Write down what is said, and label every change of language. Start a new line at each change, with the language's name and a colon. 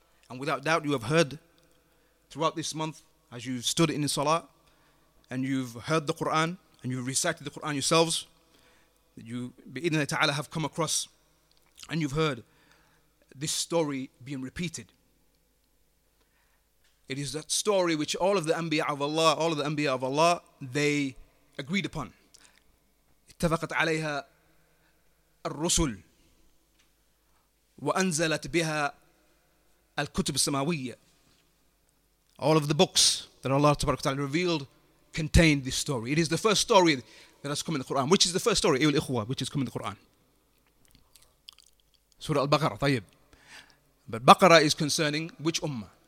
English: And without doubt, you have heard throughout this month, as you've stood in the salah and you've heard the Quran and you've recited the Quran yourselves, that you,
Arabic: bi'idhni Allah ta'ala,
English: have come across and you've heard this story being repeated. It is that story which all of the anbiya of Allah, they agreed upon.
Arabic: اتفقت عليها الرسل وأنزلت بها الكتب السماوية.
English: All of the books that Allah Tabaraka Ta'ala revealed contained this story. It is the first story that has come in the Quran. Which is the first story,
Arabic: أيها الإخوة,
English: which has come in the Quran? Surah Al-Baqarah, طيب. But Baqarah is concerning which ummah?